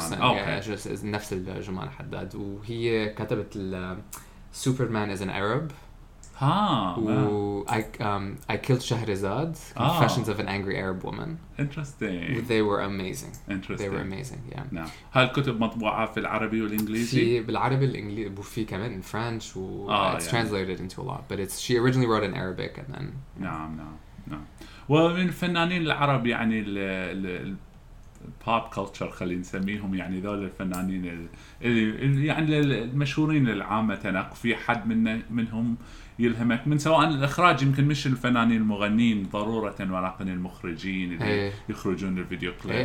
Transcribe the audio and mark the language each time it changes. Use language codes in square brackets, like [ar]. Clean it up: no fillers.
[en] Person. Okay. Yeah, just [ar] نفس الجمانة حداد وهي كتبت [en] Superman is an Arab. I killed Shahrazad. Confessions of an Angry Arab Woman. Interesting. They were amazing. Interesting. They were amazing. Yeah. No. [ar] هل كتب مطبوعة في العربي والإنجليزي؟ في بالعربي الإنجليزي وفي كمان [en] in French. It's translated into a lot, but it's she originally wrote in Arabic and then. [ar] نعم. ومن الفنانين العرب يعني ال pop culture خلينا نسميهم يعني ذول الفنانين اللي يعني المشهورين العامة تنق في حد منهم يلهمك من سواء الإخراج يمكن مش الفنانين المغنين ضرورة ولكن المخرجين اللي يخرجون الفيديو كليب